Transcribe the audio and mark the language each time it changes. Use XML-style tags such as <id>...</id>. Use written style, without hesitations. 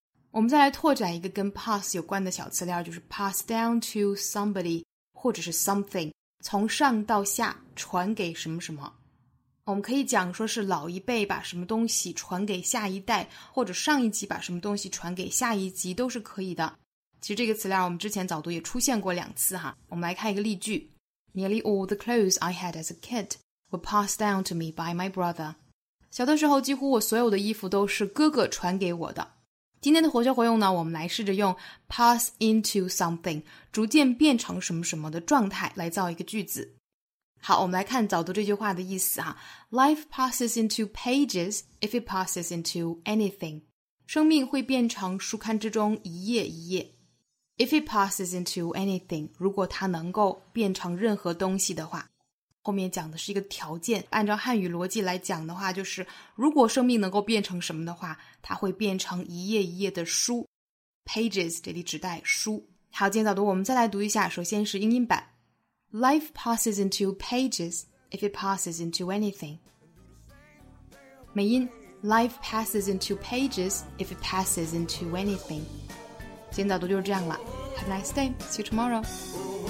<zh>我们再来拓展一个跟 pass 有关的小词料，就是 pass down to somebody 或者是 something，从上到下传给什么什么。我们可以讲说是老一辈把什么东西传给下一代，或者上一级把什么东西传给下一级，都是可以的。其实这个词料我们之前早读也出现过两次哈。我们来看一个例句，</zh> <en>Nearly all the clothes I had as a kid were passed down to me by my brother。</en> <zh>小的时候几乎我所有的衣服都是哥哥传给我的。今天的活学活用呢，我们来试着用 pass into something 逐渐变成什么什么的状态来造一个句子。好，我们来看早读这句话的意思啊。</zh> <en>Life passes into pages if it passes into anything，</en> <zh>生命会变成书刊之中一页一页。</zh> <en>If it passes into anything，</en> <zh>如果它能够变成任何东西的话，后面讲的是一个条件，按照汉语逻辑来讲的话，就是如果生命能够变成什么的话，它会变成一页一页的书。 Pages 这里指代书。好，今天早读我们再来读一下，首先是英音版。</zh> <en>Life passes into pages if it passes into anything。美音， Life passes into pages if it passes into anything。</en> <zh>今天早读就是这样了，</zh> <en>Have a nice day, see you tomorrow。</en>